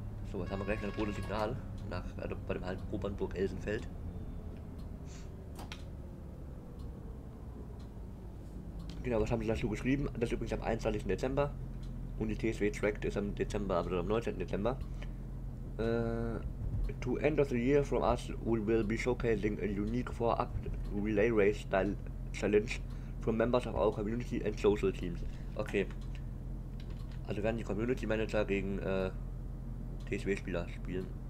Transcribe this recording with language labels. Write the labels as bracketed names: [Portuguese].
[German] So, was haben wir gleich? Ein rotes Signal. Also bei dem Halt Obernburg-Elsenfeld. Genau, was haben sie dazu geschrieben? Das ist übrigens am 21. Dezember. Und die TSW Tracked ist am Dezember, also am 19. Dezember. [English] To end of the year from us, we will be showcasing a unique 4-Up-Relay-Race-Style-Challenge from members of our community and social teams. Okay. [German] Also werden die Community Manager gegen TSW-Spieler spielen.